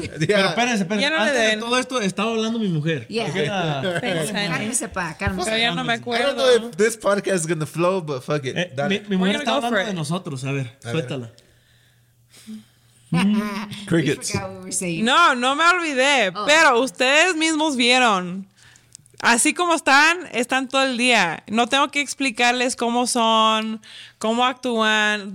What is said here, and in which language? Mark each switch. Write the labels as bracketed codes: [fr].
[es] Pero espérense, antes de todo esto estaba hablando mi mujer. Cálmese. Pero ya no me acuerdo. [en] I don't know if this podcast is gonna flow, but fuck it. [es] Mi mujer está hablando de nosotros, a ver, suéltala. [en] Crickets. [es] No, no me olvidé, pero ustedes mismos vieron. Así como están todo el día. No tengo que explicarles cómo son, cómo actúan.